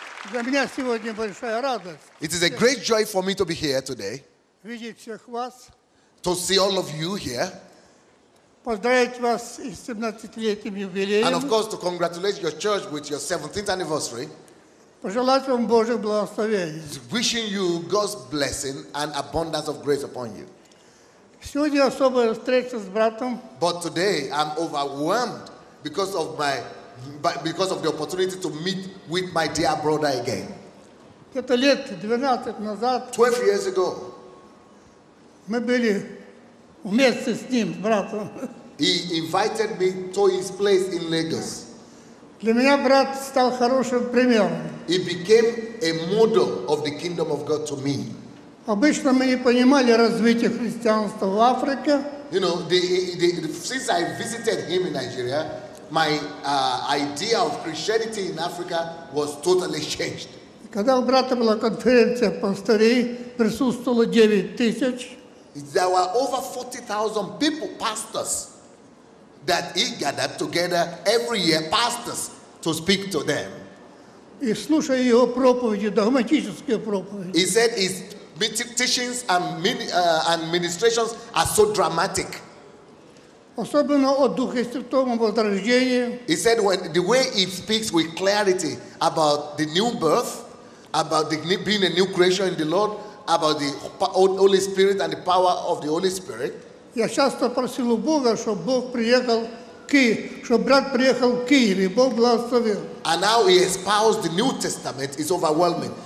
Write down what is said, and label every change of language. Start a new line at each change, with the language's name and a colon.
Russian: Для меня сегодня большая радость.
English: It is a great joy for me to be here today.
Russian: Видеть всех вас.
English: To see all of you here.
Russian: Поздравить вас с 17-летним юбилеем.
English: And of course to congratulate your church with your 17th anniversary.
Russian: Пожелать вам Божьих благословений.
English: Wishing you God's blessing and abundance of grace upon you.
Russian: Сегодня особая встреча с братом.
English: But today I'm overwhelmed because of my because of the opportunity to meet with my dear brother again.
Russian: Это лет 12 назад.
English: 12 years ago.
Russian: Мы были вместе с ним, братом.
English: He invited me to his place in Lagos.
Russian: Для меня брат стал хорошим примером.
English: He became a model of the kingdom of God to me.
Russian: Обычно мы не понимали развитие христианства в Африке.
English: You know, since I visited him in Nigeria, my idea of Christianity in Africa was totally changed.
Russian: Когда у брата была конференция пастырей, присутствовало 9,000.
English: There were over 40,000 people, pastors, that he gathered together every year, pastors, to speak to them.
Russian: И слушая его проповеди, догматические проповеди.
English: He said his teachings and ministrations are so dramatic.
Russian: Особенно о Духе Святом, о возрождении.
English: He said when the way he speaks with clarity about the new birth, about the, being a new creation in the Lord, about the Holy Spirit and the power of the Holy Spirit.
Russian: Я часто просил у Бога, чтобы Бог приехал в Киев, чтобы брат приехал в Киев, и Бог благословил.
English: And how he espoused the New Testament is overwhelming.